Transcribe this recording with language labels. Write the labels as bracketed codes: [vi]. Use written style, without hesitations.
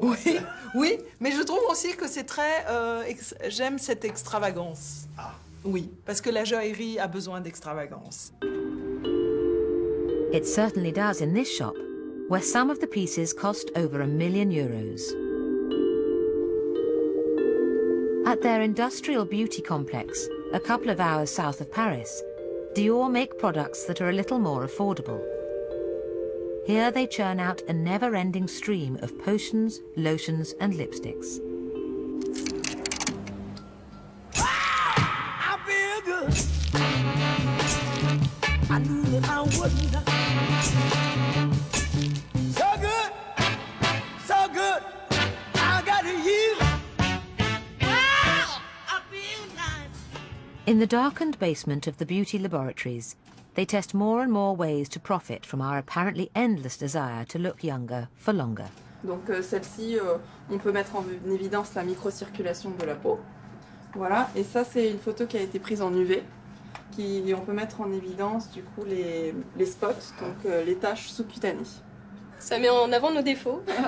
[fr] Oui, oui, mais je trouve aussi que c'est très... j'aime cette extravagance. Ah. Oui, parce que la joaillerie a besoin d'extravagance. [en] It certainly does in this shop, where some of the pieces cost over €1 million. At their industrial beauty complex, a couple of hours south of Paris, Dior make products that are a little more affordable. Here they churn out a never-ending stream of potions, lotions, and lipsticks. I feel good. I knew that I wouldn't. In the darkened basement of the beauty laboratories, they test more and more ways to profit from our apparently endless desire to look younger for longer. [fr] Donc celle-ci, on peut mettre en évidence la microcirculation de la peau. Voilà, et ça c'est une photo qui a été prise en UV, qui on peut mettre en évidence du coup les spots, donc les taches sous-cutanées. Ça met en avant nos défauts.